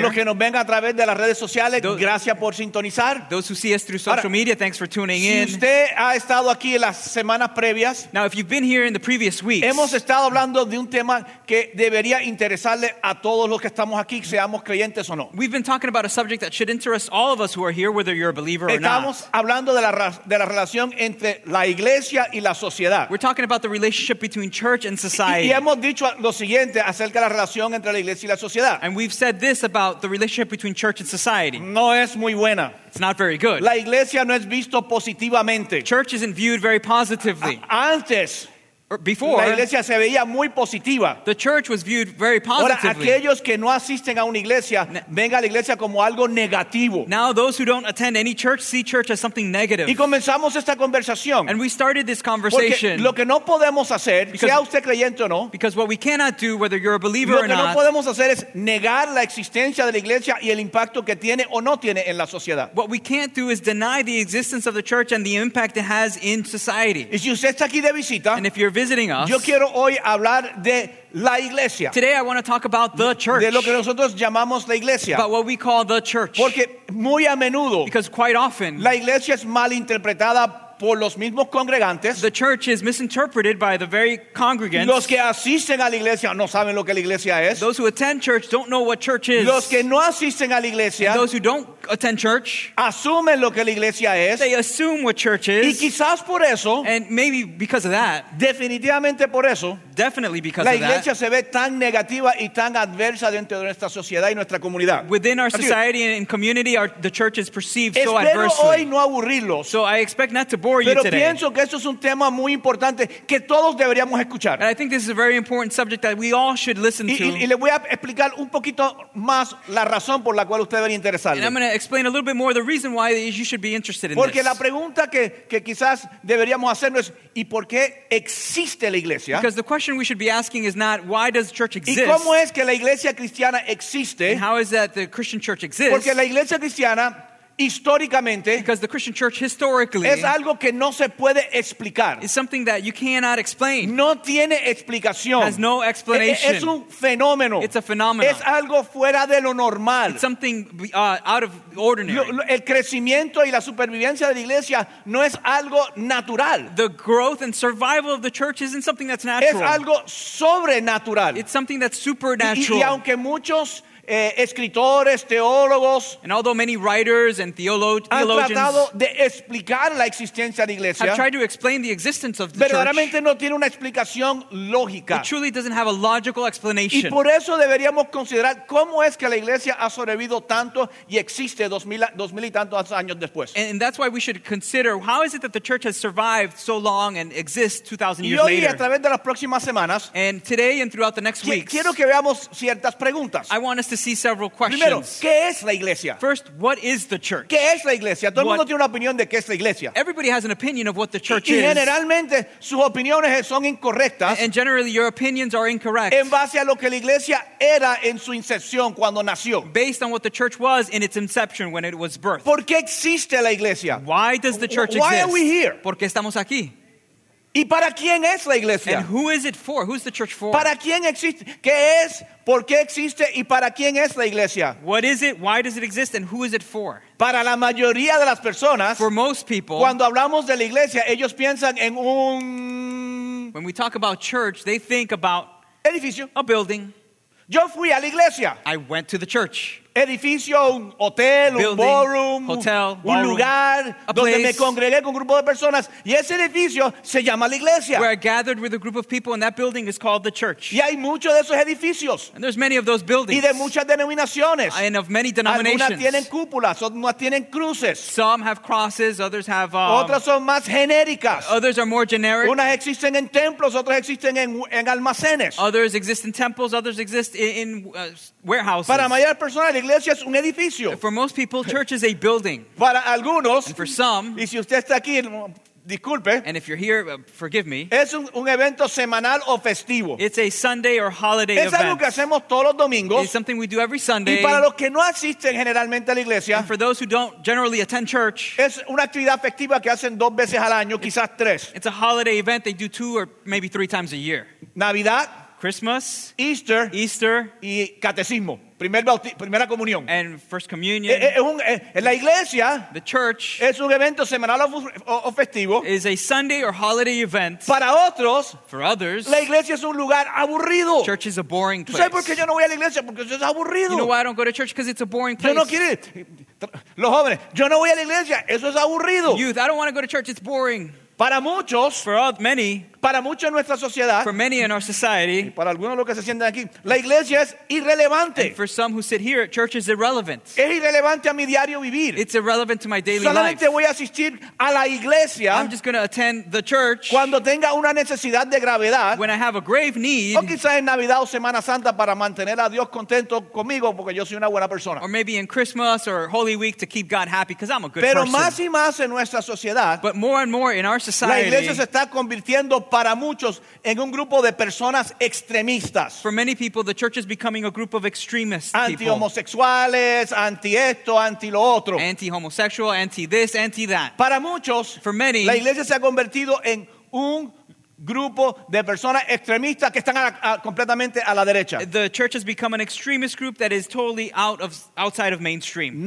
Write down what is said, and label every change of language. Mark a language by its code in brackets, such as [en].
[es] Los que nos ven a través de las redes sociales, gracias por sintonizar. [en] Those who see us through social media, thanks for tuning in. [es] Si usted ha estado aquí en las semanas previas, [en] now if you've been here in the previous weeks, [es] hemos estado hablando de un tema que debería interesarle a todos los que estamos aquí, seamos creyentes o no. [en] We've been talking about a subject that should interest all of us who are here, whether you're a believer or not. [es] Estamos hablando de la relación entre la iglesia y la sociedad. [en] We're talking about the relationship between church and society. [es] Y hemos dicho lo siguiente acerca de la relación entre la iglesia y la sociedad. [en] And we've said this about the relationship between church and society. [es] No es muy buena. [en] It's not very good. [es] La iglesia no es visto positivamente. [en] Church isn't viewed very positively. [es] Antes, [en] before, [es] la iglesia se veía muy positiva. [en] The church was viewed very positively. [es] Ahora, aquellos que no asisten a una iglesia, ven a la iglesia como algo negativo. [en] Now, those who don't attend any church see church as something negative. [es] Y comenzamos esta conversación. [en] And we started this conversation. [es] Porque lo que no podemos hacer, sea usted creyente o no, [en] because what we cannot do, whether you're a believer or not, [es] lo que no podemos hacer es negar la existencia de la iglesia y el impacto que tiene o no tiene en la sociedad. [en] What we can't do is deny the existence of the church and the impact it has in society. [es] Y si usted está aquí de visita, [en] and if you're visiting us. [es] Yo quiero hoy hablar de la iglesia. [en] Today I want to talk about the church. [es] De lo que nosotros llamamos la iglesia. [en] About what we call the church. [es] Porque muy a menudo, [en] because quite often, [es] la iglesia es mal interpretada por los mismos congregantes. [en] The church is misinterpreted by the very congregants. [es] Los que asisten a la iglesia no saben lo que la iglesia es. [en] Those who attend church don't know what church is. [es] Los que no asisten a la iglesia, [en] and those who don't attend church, [es] asumen lo que la iglesia es. [en] They assume what church is. [es] Y quizás por eso, [en] and maybe because of that, [es] definitivamente por eso, [en] definitely because [es] la iglesia se ve tan negativa y tan adversa dentro de nuestra sociedad y nuestra comunidad. [en] Within our society and community, the church is perceived so adversely. [es] Espero hoy no aburrirlos. [en] So I expect not to bore [es] pero [en] you today. [es] Pero pienso que esto es un tema muy importante que todos deberíamos escuchar. [en] And I think this is a very important subject that we all should listen to. [es] Y le voy a explicar un poquito más la razón por la cual usted debería interesarle. [en] And I'm going to explain a little bit more the reason why you should be interested in [es] porque [en] this. [es] Porque la pregunta que quizás deberíamos hacernos es ¿y por qué existe la iglesia? [en] Because the question we should be asking is not why does the church exist? [es] ¿Y cómo es que la iglesia cristiana existe? [en] And how is that the Christian church exists? [es] Porque la iglesia cristiana históricamente, [en] because the Christian church historically, [es] es algo que no se puede explicar. [en] Is something that you cannot explain. [es] No tiene explicación. [en] Has no explanation. [es] Es un fenómeno. [en] It's a phenomenon. [es] Es algo fuera de lo normal. [en] It's something out of ordinary. [es] El crecimiento y la supervivencia de la iglesia no es algo natural. [en] The growth and survival of the church isn't something that's natural. [es] Es algo sobrenatural. [en] It's something that's supernatural. [es] Y aunque muchos escritores, teólogos, [en] and although many writers and theologians [es] han tratado de explicar la existencia de la iglesia, [en] have tried to explain the existence of the [es] church, verdaderamente no tiene una explicación lógica. [en] It truly doesn't have a logical explanation. [es] Y por eso deberíamos considerar cómo es que la iglesia ha sobrevivido tanto y existe dos mil y tantos años después. [en] And that's why we should consider how is it that the church has survived so long and exists 2,000 years later. [es] Y hoy, a través de las próximas semanas, [en] and today and throughout the next weeks, [es] quiero que veamos ciertas preguntas. [en] I want us to see several questions. [es] Primero, ¿qué es la iglesia? [en] First, what is the church? [es] ¿Qué es la iglesia? Todo el mundo tiene una opinión de qué es la iglesia. [en] Everybody has an opinion of what the church is. [es] Y generalmente sus opiniones son incorrectas. [en] And generally your opinions are incorrect. [es] En base a lo que la iglesia era en su inception cuando nació. [en] Based on what the church was in its inception when it was birthed. [es] ¿Por qué existe la iglesia? [en] Why does the church exist? Why are we here? [es] ¿Por qué estamos aquí? ¿Y para quién es la iglesia? [en] And who is it for? Who's the church for? [es] ¿Para quién existe? ¿Qué es? ¿Por qué existe? ¿Y para quién es la iglesia? [en] What is it? Why does it exist? And who is it for? [es] Para la mayoría de las personas, [en] for most people, [es] cuando hablamos de la iglesia, ellos piensan en un... [en] When we talk about church, they think about... [es] Edificio. [en] A building. [es] Yo fui a la iglesia. [en] I went to the church. [es] Edificio, un hotel, [en] building, [es] un ballroom, [en] hotel, [es] un [en] ballroom, [es] lugar [en] a [es] donde [en] place, [es] me congregué con un grupo de personas y ese edificio se llama la iglesia. [en] Where I gathered with a group of people and that building is called the church. [es] Y hay muchos de esos edificios. [en] And there's many of those buildings. [es] Y de muchas denominaciones. [en] And of many denominations. [es] Algunas tienen cúpulas, otras tienen cruces. [en] Some have crosses, others have [es] otras son más genéricas. [en] Others are more generic. [es] Unas existen en templos, otras existen en almacenes. [en] Others exist in temples, others exist in warehouses. [es] Para mayor personas la iglesia es un edificio. [en] For most people, church is a building. [es] Para algunos, [en] and for some, [es] y si usted está aquí, disculpe, [en] and if you're here, forgive me, [es] es un evento semanal o festivo. [en] It's a Sunday or holiday [es] es [en] event. [es] Algo que hacemos todos los domingos. [en] It's something we do every Sunday. [es] Y para los que no asisten generalmente a la iglesia, [en] and for those who don't generally attend church, [es] es una actividad festiva que hacen dos veces al año, quizás tres. [en] It's a holiday event they do two or maybe three times a year. [es] Navidad. [en] Christmas, [es] Easter, y catecismo, primera comunión. [en] And First Communion. [es] La iglesia, [en] the church, [es] es un evento semanal o festivo. [en] Is a Sunday or holiday event. [es] Para otros, [en] for others, [es] la iglesia es un lugar aburrido. [en] Church is a boring place. [es] ¿Tú sabes por qué yo no voy a la iglesia? Porque eso es aburrido. [en] You know why I don't go to church? Because it's a boring place. [es] Yo no quiero los jóvenes. Yo no voy a la iglesia. Eso es aburrido. [en] Youth, I don't want to go to church. It's boring. [es] Para muchos, [en] for many, [es] para muchos en nuestra sociedad, [en] for many in our society, [es] y para algunos de los que se sienten aquí, la iglesia es irrelevante. [en] For some who sit here, church is irrelevant. [es] Es irrelevante a mi diario vivir. [en] It's irrelevant to my daily [es] solamente Solamente voy a asistir a la iglesia. [en] I'm just going to attend the church [es] cuando tenga una necesidad de gravedad. [en] When I have a grave need. [es] O quizás en Navidad o Semana Santa para mantener a Dios contento conmigo porque yo soy una buena persona. [en] Or maybe in Christmas or Holy Week to keep God happy because I'm a good [es] pero [en] person. [es] Pero más y más en nuestra sociedad. [en] But more and more in our society. [es] La iglesia se está convirtiendo para muchos en un grupo de personas extremistas. [en] For many people, the church is becoming a group of extremist people. [es] Anti-homosexuales, anti esto, anti lo otro. [en] Anti-homosexual, anti this, anti that. [es] Para muchos, [en] for many, [es] la iglesia se ha convertido en un grupo de personas extremistas que están completamente a la derecha. [en] The church has become an extremist group that is totally outside of mainstream.